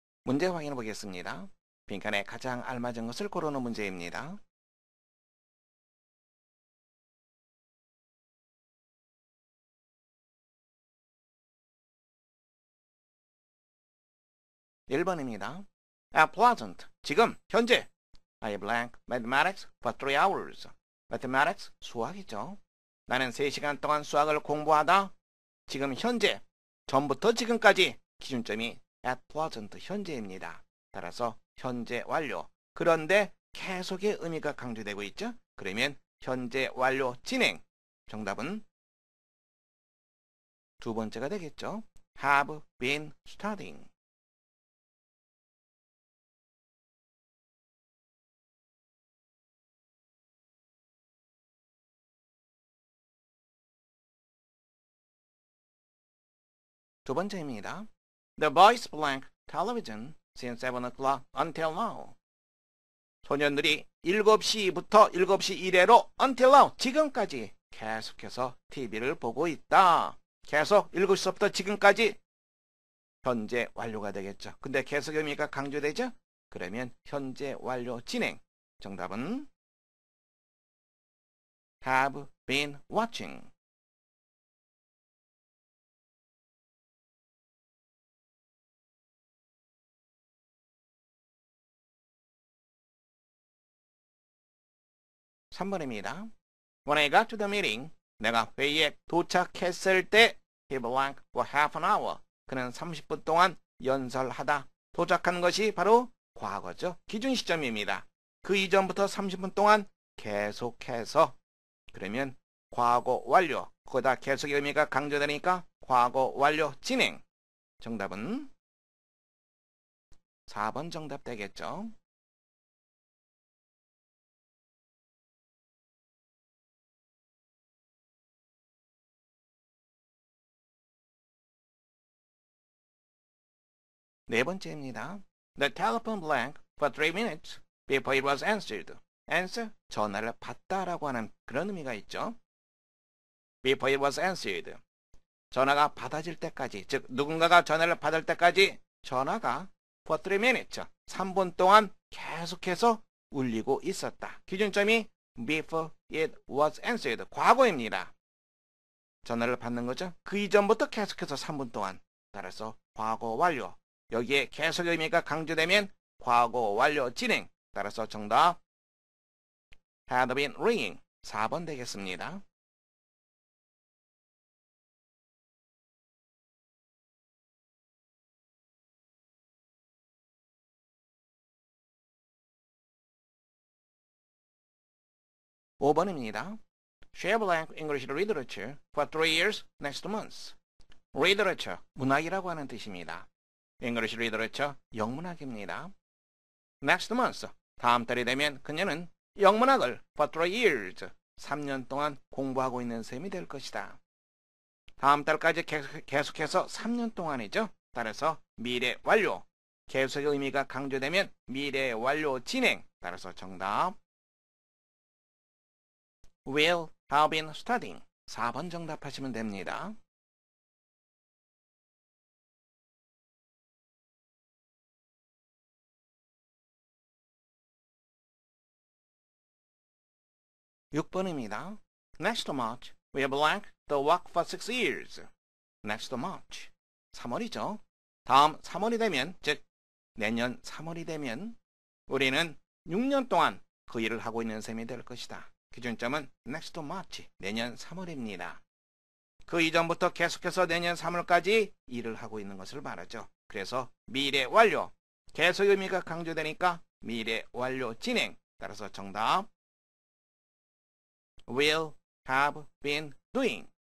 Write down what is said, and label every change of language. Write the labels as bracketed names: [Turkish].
[Korean] 문제 확인해 보겠습니다. 빈칸에 가장 알맞은 것을 고르는 문제입니다. 1번입니다. [English] At present, [Korean] 지금, 현재. [English] I blank mathematics for 3 hours. [Korean] Mathematics, 수학이죠. 나는 3시간 동안 수학을 공부하다. 지금, 현재. 전부터 지금까지. 기준점이 [English] at present, [Korean] 현재입니다. 따라서 현재 완료. 그런데 계속의 의미가 강조되고 있죠? 그러면 현재 완료 진행. 정답은 두 번째가 되겠죠? [English] Have been studying. [Korean] 두 번째입니다. [English] The boys blank television since 7 o'clock until now. [Korean] 소년들이 7시부터 7시 이래로 [English] until now, [Korean] 지금까지 계속해서 TV를 보고 있다. 계속 7시부터 지금까지 현재 완료가 되겠죠. 근데 계속 의미가 강조되죠? 그러면 현재 완료 진행. 정답은 [English] have been watching. [Korean] 3번입니다. [English] When I got to the meeting, [Korean] 내가 회의에 도착했을 때, [English] he blank for half an hour. [Korean] 그는 30분 동안 연설하다 도착한 것이 바로 과거죠. 기준 시점입니다. 그 이전부터 30분 동안 계속해서. 그러면 과거 완료. 거기다 계속의 의미가 강조되니까 과거 완료 진행. 정답은 4번 정답 되겠죠. 네 번째입니다. [English] The telephone blank for 3 minutes before it was answered. [Korean] Answer, 전화를 받다라고 하는 그런 의미가 있죠. [English] Before it was answered. [Korean] 전화가 받아질 때까지, 즉 누군가가 전화를 받을 때까지 전화가 [English] for 3 minutes, [Korean] 3분 동안 계속해서 울리고 있었다. 기준점이 [English] before it was answered, [Korean] 과거입니다. 전화를 받는 거죠. 그 이전부터 계속해서 3분 동안. 따라서 과거 완료. 여기에 계속 의미가 강조되면 과거 완료 진행. 따라서 정답 [English] had been ringing [Korean] 4번 되겠습니다. 5번입니다. [English] Share blank English literature for 3 years next month. [Korean] Literature, 문학이라고 하는 뜻입니다. English literature, 영문학입니다. Next month, 다음 달이 되면 그녀는 영문학을 [English] for 3 years, [Korean] 3년 동안 공부하고 있는 셈이 될 것이다. 다음 달까지 계속해서 3년 동안이죠. 따라서 미래 완료, 계속의 의미가 강조되면 미래 완료 진행. 따라서 정답, [English] will have been studying, [Korean] 4번 정답하시면 됩니다. 6번입니다. [English] Next March, we blank the work for 6 years. Next March, [Korean] 3월이죠. 다음 3월이 되면, 즉 내년 3월이 되면 우리는 6년 동안 그 일을 하고 있는 셈이 될 것이다. 기준점은 [English] next March, [Korean] 내년 3월입니다. 그 이전부터 계속해서 내년 3월까지 일을 하고 있는 것을 말하죠. 그래서 미래 완료, 계속 의미가 강조되니까 미래 완료 진행. 따라서 정답 [English] will have been doing.